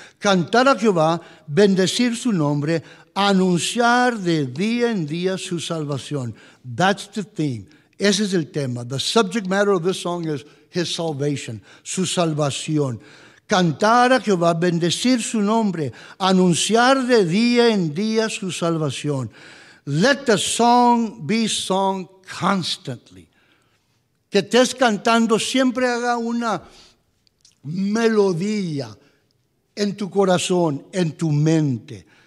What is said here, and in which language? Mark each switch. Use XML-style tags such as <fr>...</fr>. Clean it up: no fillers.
<es>Cantar a Jehová, bendecir su nombre, anunciar de día en día su salvación.</es> <en>That's the theme.</en> <es>Ese es el tema.</es> <en>The subject matter of this song is his salvation,</en> <es>su salvación. Cantar a Jehová, bendecir su nombre, anunciar de día en día su salvación.</es> <en>Let the song be sung constantly.</en> <es>Que estés cantando, siempre haga una melodía en tu corazón, en tu mente.</es>